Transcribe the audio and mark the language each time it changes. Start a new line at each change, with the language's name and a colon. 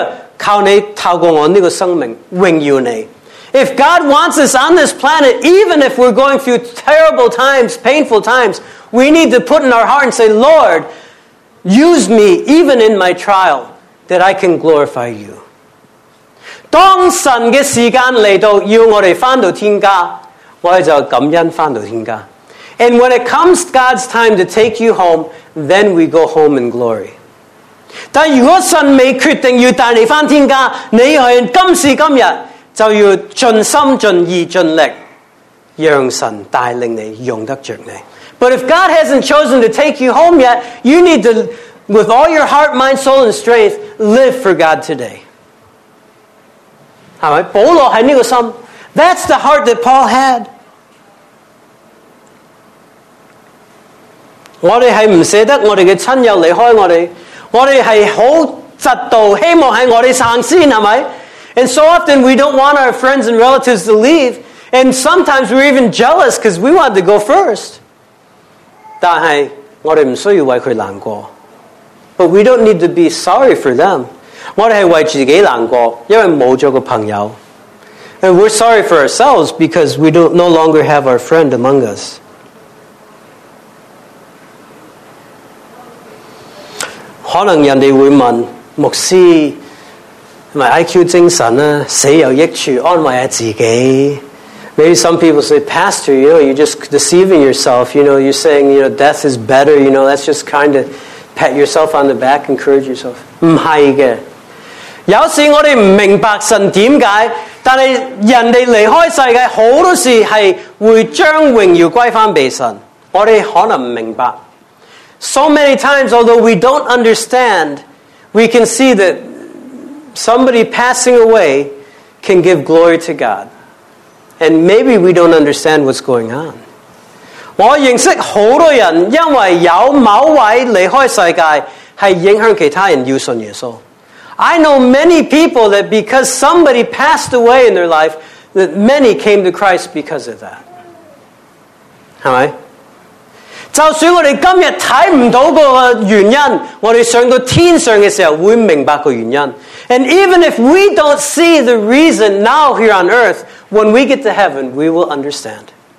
Chinese: 我们要顺服主，如果神要我生活在这里，无论是怎样痛苦，无论是经历什么，我们要立志心志，主啊，靠你透过我这个生命荣耀你。
English: If God wants us on this planet, even if we're going through terrible times, painful times, we need to put in our heart and say, Lord, use me even in my trial, that I can glorify you.
Chinese: 当神的时间来到，要我们回到天家， 我们就感恩回到天家。
English: And when it comes God's time to take you home, then we go home in glory.
Chinese: 但如果神未决定要带你回天家， 你在今时今日就要尽心尽意尽力让神带领你，用得着你。
English: But if God hasn't chosen to take you home yet, you need to, with all your heart, mind, soul, and strength, live for God today.
Chinese: 是吧?保罗在这个心,
English: that's the heart that Paul had.
Chinese: 我们是不舍得我们的亲友离开我们，我们是很嫉妒，希望是我们先，是吧？
English: And so often we don't want our friends and relatives to leave. And sometimes we're even jealous because we want to go first.
Chinese: 但是我们不需要为他难过.
English: But we don't need to be sorry for them.
Chinese: 我们是为自己难过, 因为没有了朋友.
English: And we're sorry for ourselves because we don't no longer have our friend among us. Maybe some people say, Pastor, you know, you're just deceiving yourself. You know, you're saying, you know, death is better. You know, that's just kind of pat yourself on the back, encourage yourself.
Chinese: 不是的. 有时我们不明白神为什么, 但是人家离开世界, 很多时是会将荣耀归回神. 我们可能不明白.
English: So many times, although we don't understand, we can see that somebody passing away can give glory to God. And maybe we don't understand what's going on.
Chinese: 我认识很多人, 因为有某位离开世界是影响其他人要信耶稣。
English: I know many people that because somebody passed away in their life, that many came to Christ because of that.
Chinese: 是吗? 就算我们今天看不到个原因, 我们上到天上的时候会明白个原因。
English: And even if we don't see the reason now here on earth, when we get to heaven, we will understand.